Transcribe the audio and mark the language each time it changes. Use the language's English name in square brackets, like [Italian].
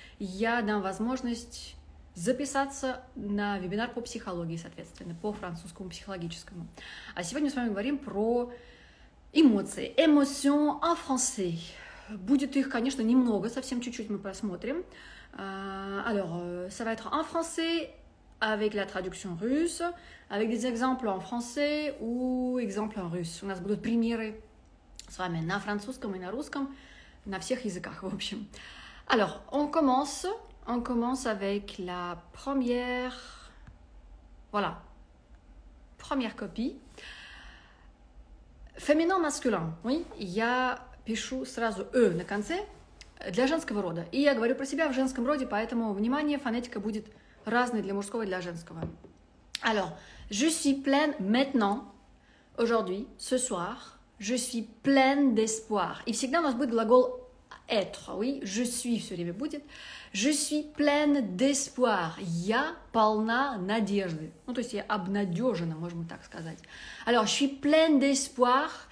[Russian] Я дам возможность записаться на вебинар по психологии, соответственно, по французскому психологическому. А сегодня мы с вами говорим про эмоции. [French] Emotion en français. [Russian] Будет их, конечно, немного, совсем чуть-чуть мы посмотрим. [French] Alors, ça va être en français avec la traduction russe, avec des exemples en français ou exemples en russe. [Russian] У нас будут примеры с вами на французском и на русском, на всех языках, в общем. [French] Alors, on commence avec la première, voilà, première copie. Féminin, masculin, oui, il y a... [Russian] Пишу сразу «э» на конце для женского рода. И я говорю про себя в женском роде, поэтому, внимание, фонетика будет разной для мужского и для женского. [French] Alors, je suis pleine maintenant, aujourd'hui, ce soir, je suis pleine d'espoir. [Russian] И всегда у нас будет глагол «être», [French] oui, «je suis» [Russian] все время будет. [French] Je suis pleine d'espoir. [Russian] Я полна надежды. Ну, то есть я обнадежена, можем так сказать. [French] Alors, je suis pleine d'espoir.